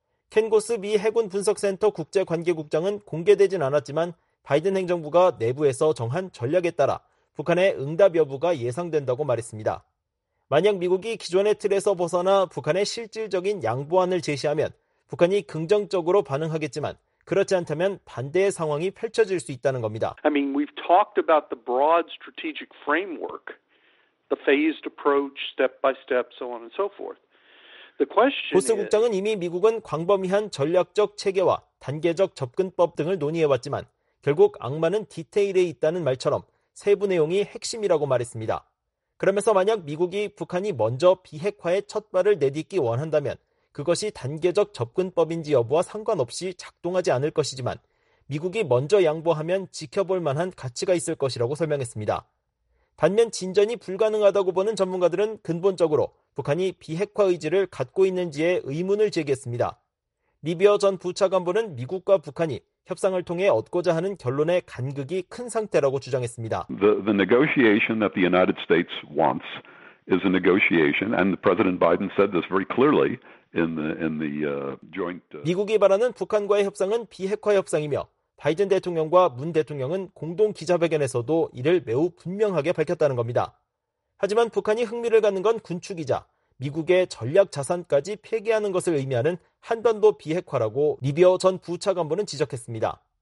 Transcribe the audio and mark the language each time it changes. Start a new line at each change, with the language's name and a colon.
Korean: 켄고스 미 해군 분석센터 국제관계국장은 공개되진 않았지만 바이든 행정부가 내부에서 정한 전략에 따라 북한의 응답 여부가 예상된다고 말했습니다. 만약 미국이 기존의 틀에서 벗어나 북한의 실질적인 양보안을 제시하면 북한이 긍정적으로 반응하겠지만 그렇지 않다면 반대의 상황이 펼쳐질 수 있다는 겁니다.
English: I mean, we've talked about the broad strategic framework, the phased approach, step by step, so on and so forth. The question
Korean: 보스 국장은 이미 미국은 광범위한 전략적 체계와 단계적 접근법 등을 논의해왔지만 결국 악마는 디테일에 있다는 말처럼 세부 내용이 핵심이라고 말했습니다. 그러면서 만약 미국이 북한이 먼저 비핵화의 첫 발을 내딛기 원한다면 그것이 단계적 접근법인지 여부와 상관없이 작동하지 않을 것이지만 미국이 먼저 양보하면 지켜볼 만한 가치가 있을 것이라고 설명했습니다. 반면 진전이 불가능하다고 보는 전문가들은 근본적으로 북한이 비핵화 의지를 갖고 있는지에 의문을 제기했습니다. 리비어 전 부차관보는 미국과 북한이 협상을 통해 얻고자 하는 결론의 간극이 큰 상태라고 주장했습니다.
English: The negotiation that the United States wants is a negotiation, and President Biden said this very clearly in the joint.
Korean: 미국이 바라는 북한과의 협상은 비핵화 협상이며 바이든 대통령과 문 대통령은 공동 기자회견에서도 이를 매우 분명하게 밝혔다는 겁니다. 하지만 북한이 흥미를 갖는 건 군축이자 미국의 전략 자산까지 폐기하는 것을 의미하는 한반도 비핵화라고 리비어 전 부차관보는 지적했습니다.